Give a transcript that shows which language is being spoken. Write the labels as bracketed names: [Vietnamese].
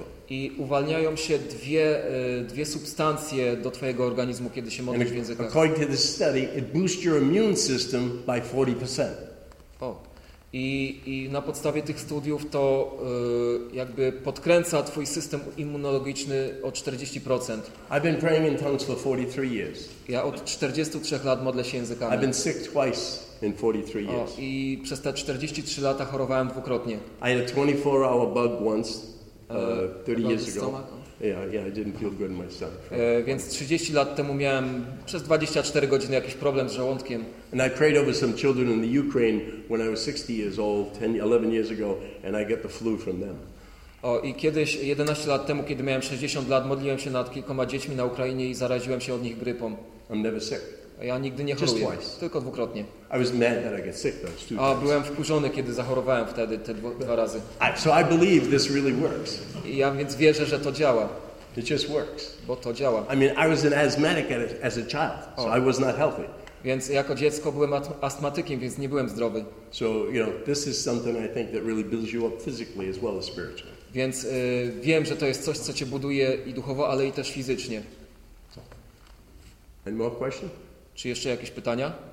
[Polish] I uwalniają się dwie substancje do twojego organizmu, kiedy się modlisz w językach. [English] According to this study, it boosts your immune system by 40%. [Polish] I na podstawie tych studiów to jakby podkręca twój system immunologiczny o 40%. [English] I've been praying in tongues for 43 years. [Polish] Ja od 43 lat modlę się językami. [English] I've been sick twice in 43 years. [Polish] I przez te 43 lata chorowałem dwukrotnie. [English] I had a 24-hour bug once 30 years ago. Yeah, I didn't feel good in my stomach. [Polish] Więc 30 lat temu miałem przez 24 godziny jakiś problem z żołądkiem. [English] And I prayed over some children in the Ukraine when I was 60 years old, 11 years ago, and I get the flu from them. [Polish] I kiedyś 11 lat temu, kiedy miałem 60 lat, modliłem się nad kilkoma dziećmi na Ukrainie i zaraziłem się od nich grypą. [English] I'm never sick. [Polish] Ja nigdy nie choruję. Tylko dwukrotnie. [English] I was mad that I get sick though, two times. [Polish] A byłem wkurzony, kiedy zachorowałem wtedy te dwa razy. [English] So I believe this really works. [Polish] I ja więc wierzę, że to działa. [English] It just works. [Polish] Bo to działa. [English] I mean, I was an asthmatic as a child, so I was not healthy. [Polish] Więc jako dziecko byłem astmatykiem, więc nie byłem zdrowy. [English] So, you know, this is something I think that really builds you up physically as well as spiritually. [Polish] Więc wiem, że to jest coś, co cię buduje i duchowo, ale i też fizycznie. [English] Any more questions? [Polish] Czy jeszcze jakieś pytania?